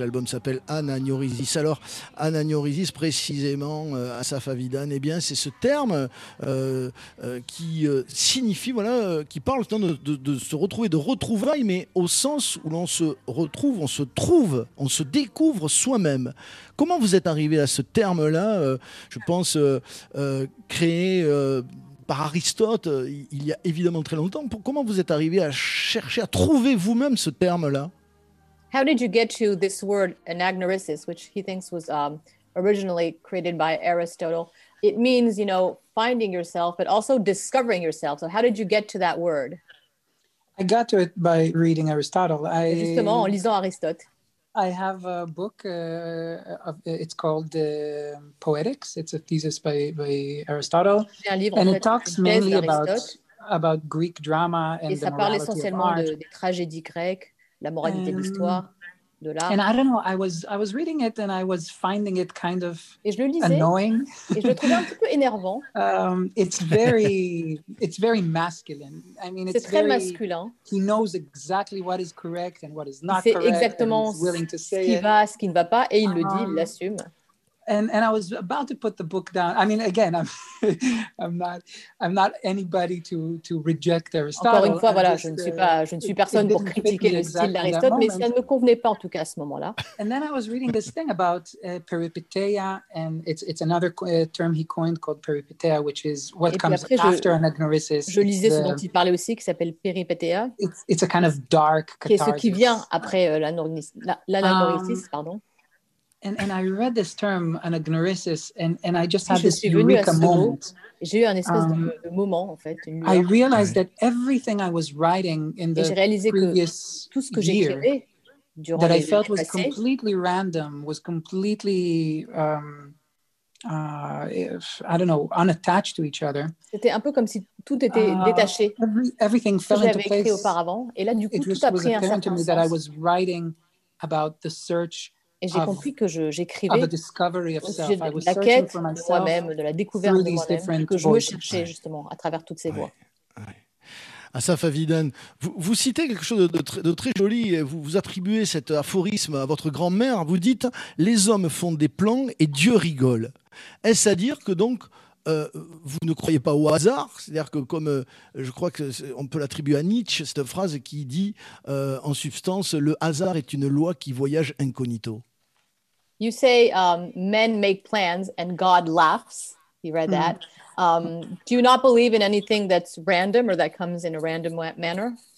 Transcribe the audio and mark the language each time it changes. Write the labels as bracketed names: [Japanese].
[French] L'album s'appelle Ananiorisis. Alors, Ananiorisis, précisément, Asaf Avidan, eh bien, c'est ce terme qui signifie, voilà, qui parle de se retrouver, de retrouvailles, mais au sens où l'on se retrouve, on se trouve, on se découvre soi-même. Comment vous êtes arrivé à ce terme-là, je pense, créé par Aristote, il y a évidemment très longtemps. Comment vous êtes arrivé à chercher, à trouver vous-même ce terme-là? [English] How did you get to this word anagnorisis, which he thinks was originally created by Aristotle? It means, you know, finding yourself, but also discovering yourself. So how did you get to that word? I got to it by reading Aristotle. [French] Justement, en lisant Aristote. [English] I have a book, it's called Poetics. It's a thesis by Aristotle. And it talks mainly about Greek drama and the morality of art. [French] Des tragédies grecques, la moralité de l'histoire, de l'art. [English] And I don't know, I was reading it and I was finding it kind of annoying. [French] Et je le trouvais un petit peu énervant. [English] It's very masculine. I mean, [French] c'est très masculin. [English] He knows exactly what is correct and what is not correct. [French] C'est exactement ce qui va, ce qui ne va pas, et il le dit, il l'assume. [English] And I was about to put the book down. I mean, again, I'm not anybody to reject Aristotle. [French] Encore une fois, voilà, je ne suis personne pour critiquer le style d'Aristote, mais ça ne me convenait pas en tout cas à ce moment-là. [English] And then I was reading this thing about peripeteia, and it's another term he coined called peripeteia, which is what comes after anagnorisis. [French] Je lisais ce dont il parlait aussi, qui s'appelle peripeteia. [English] It's a kind of dark catharsis. [French] Qui est ce qui vient après l'anagnorisis, pardon. [English] And I read this term anagnorisis, and I just had this eureka moment. [French] J'ai eu un espèce de moment en fait. [English] I realized that everything I was writing in the previous [French] tout ce que j'ai [English] year [French] durant [English] that I felt [French] passées, [English] was completely random, was completely unattached to each other. [French] C'était un peu comme si tout était détaché. [English] Everything fell into place. [French] J'avais écrit auparavant, et là du coup tout a pris un certain sens. [English] It was apparent that I was writing about the search. [French] Et j'ai compris que j'écrivais au sujet de la quête de moi-même, de la découverte de moi-même, que je me cherchais justement à travers toutes ces voies. Asaf Avidan, vous citez quelque chose de très joli, et vous attribuez cet aphorisme à votre grand-mère, vous dites « Les hommes font des plans et Dieu rigole ». Est-ce à dire que donc vous ne croyez pas au hasard, c'est-à-dire que comme je crois qu'on peut l'attribuer à Nietzsche, cette phrase qui dit en substance le hasard est une loi qui voyage incognito. [English] You say men make plans and God laughs. You read that. Do you not believe in anything that's random or that comes in a random manner?